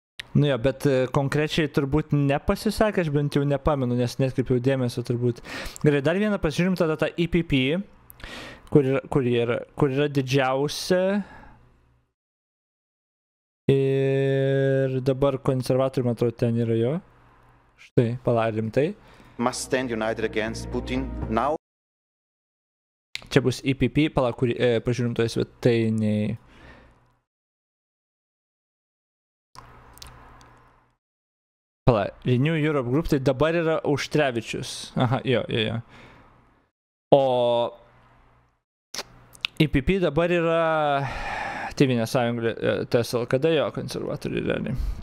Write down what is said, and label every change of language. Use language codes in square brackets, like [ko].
[lt] Nu jo, bet konkrečiai turbūt nepasisakė, aš bent jau nepamenu, nes netkripiau dėmesio turbūt. Gerai, dar vieną pasižiūrim tada tą EPP, kur yra didžiausia. Ir dabar konservatorių, man atrodo, ten yra jo. Štai, palaidim tai. [en] Must stand united against Putin now. [lt] Čia bus EPP, pažiūrim toje svetainėje. Pala, Renew Europe Group, tai dabar yra Auštrevičius. Aha, jo. O EPP dabar yra Tėvynės sąjunga, TSLKD, jo, konservatoriai realiai.